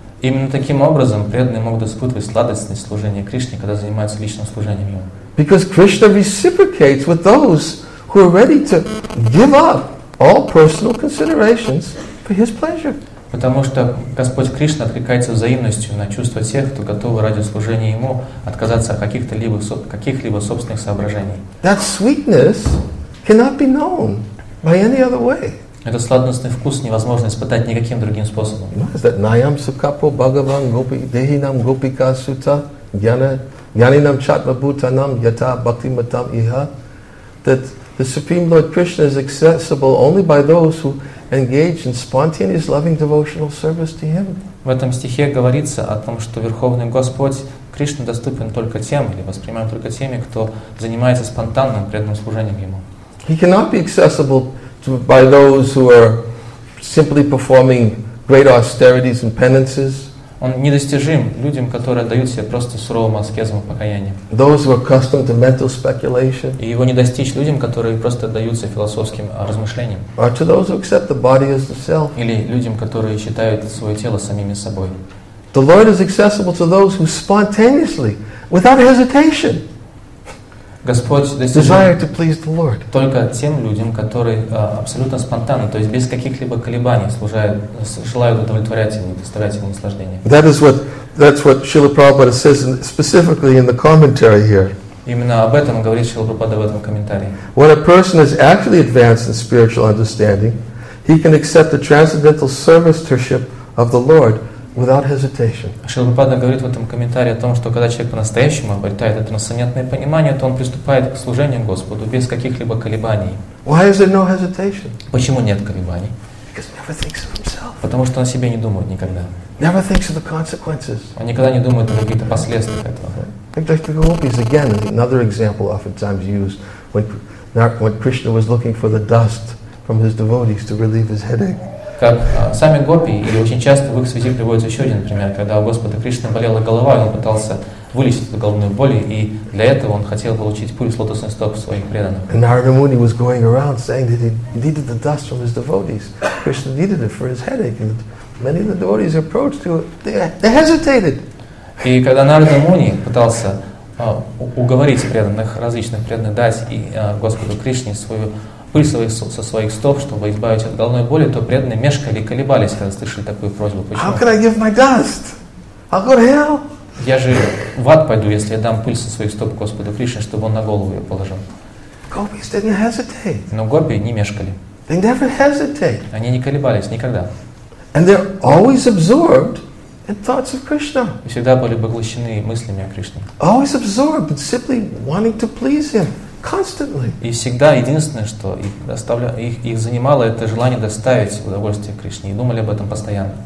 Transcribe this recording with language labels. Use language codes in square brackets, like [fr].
[ru] Именно таким образом преданные могут испытывать сладостность служения Кришне, когда занимаются личным служением Ему. [en] Because Krishna reciprocates with those who are ready to give up all personal considerations for His pleasure. [ru] Потому что Господь Кришна откликается взаимностью на чувства тех, кто готовы ради служения Ему отказаться от каких-либо собственных соображений. [en] That sweetness cannot be known by any other way. [ru] Этот сладостный вкус невозможно испытать никаким другим способом. [sa] Наям сукапо бхагаван гопи дехи нам гопика сута гьяна гьяни нам чатма бута нам ята бхакти матам иха. [en] That the Supreme Lord Krishna is accessible only by those who engage in spontaneous loving devotional service to Him. [ru] В этом стихе говорится о том, что Верховный Господь Кришна доступен только тем, или воспринимаем только теми, кто занимается спонтанным преданным служением Ему. [en] He cannot be accessible by those who are simply performing great austerities and penances. [ru] Он недостижим людям, которые отдают себя просто суровым аскезам и покаянием. [en] Those who are accustomed to mental speculation. [ru] И его не достичь людям, которые просто отдаются философским размышлениям. [en] Or to those who accept the body as the self. [ru] Или людям, которые считают свое тело самими собой. [en] The Lord is accessible to those who spontaneously, without hesitation, desire to please the Lord. [ru] Только тем людям, которые абсолютно спонтанно, то есть без каких-либо колебаний, желают удовлетворять Ему, доставлять Ему наслаждение. [en] That's what Srila Prabhupada says specifically in the commentary here. [ru] Именно об этом говорит Шрила Прабхупада в этом комментарии. [en] When a person is actually advanced in spiritual understanding, he can accept the transcendental servitorship of the Lord without hesitation. [ru] Шрила Прабхупада говорит в этом комментарии о том, что когда человек по-настоящему обретает это трансцендентное понимание, то он приступает к служению Господу без каких-либо колебаний. [en] Why is there no hesitation? [ru] Почему нет колебаний? [en] Because he never thinks of himself. [ru] Потому что он о себе не думает никогда. [en] Never thinks of the consequences. [ru] Он никогда не думает о каких-то последствиях этого. [en] The gopis, again, another example oftentimes used when Krishna was looking for the dust from his devotees to relieve his headache. [ru] Как сами гопи, или очень часто в их связи приводится еще один пример, когда у Господа Кришны болела голова, он пытался вылечить эту головную боль, и для этого он хотел получить пыль с лотосных стоп своих преданных. [en] And Narada Muni was going around saying that he needed the dust from his devotees. Krishna needed it for his headache. And many of the devotees approached him, they hesitated. [ru] И когда Нарада Муни пытался уговорить преданных, различных преданных дать и Господу Кришне свою пыль со своих стоп, чтобы избавить от головной боли, то преданные мешкали и колебались, когда слышали такую просьбу. Почему? [en] How can I give my dust? I'll go to hell. [ru] Я же в ад пойду, если я дам пыль со своих стоп Господу Кришне, чтобы он на голову ее положил. [en] Gopis didn't hesitate. [ru] Но гопи не мешкали. [en] They never hesitate. [ru] Они не колебались никогда. [en] And they're always absorbed in thoughts of Krishna. [ru] И всегда были поглощены мыслями о Кришне. [en] Always absorbed in simply wanting to please Him. Constantly. [ru] И всегда единственное, что их занимало, это желание доставить удовольствие Кришне. И думали об этом постоянно.